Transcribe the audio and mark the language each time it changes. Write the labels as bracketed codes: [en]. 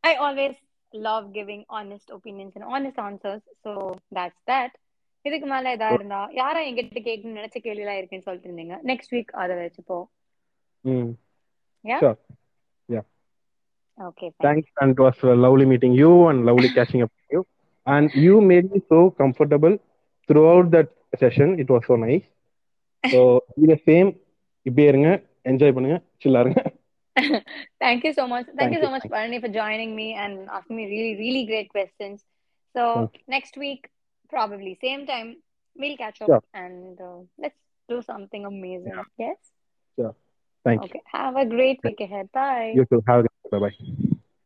[en] I always love giving honest opinions and honest answers. So that's that. [ta] இதுக்கு மேல ஏதா இருந்தா யாரா எங்கிட்ட கேட்கணும் நினைச்ச கேள்வி எல்லாம் இருக்குன்னு சொல்லிட்டு இருந்தீங்க, நெக்ஸ்ட் வீக் அதை வச்சு போ. [en] Yeah? Sure. Yeah. Okay, Thanks, thanks. and it was lovely meeting you and lovely catching up with you. And you made me so comfortable throughout that session. It was so nice. So, be the same. [ta] இப்படியே இருங்க, enjoy பண்ணுங்க, சில்லா இருங்க. [en] Thank you so much. Thank Thank you you. so much, Parani, for joining me and asking me really, really great questions. So, Thank you. next week, probably same time, we'll catch up Sure. and let's do something amazing. Yeah. Yes? Sure. Thank you. Okay. Have a great week ahead. Bye. You too. Have a good day. Bye-bye.